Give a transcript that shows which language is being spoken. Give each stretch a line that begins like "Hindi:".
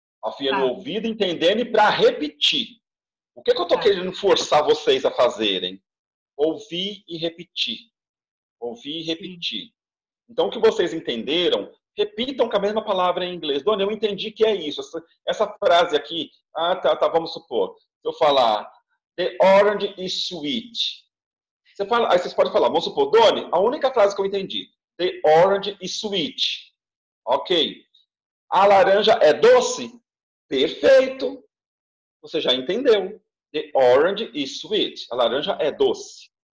Portuguese: Afiando o ouvido, entendendo e para repetir. O que, que eu tô querendo forçar vocês a fazerem? Ouvir e repetir. Ouvir e repetir. Então, o que vocês entenderam, repitam com a mesma palavra em inglês. Dona, eu entendi que é isso. Essa frase aqui, vamos supor. Se eu falar,
English: the orange is sweet.
Portuguese: Você fala, aí vocês podem falar, vamos supor, Dona, a única frase que eu entendi,
English: the orange is sweet.
Portuguese: Ok. A laranja é doce? Perfeito. Você já entendeu.
English: The orange is sweet.
Portuguese: A laranja é doce.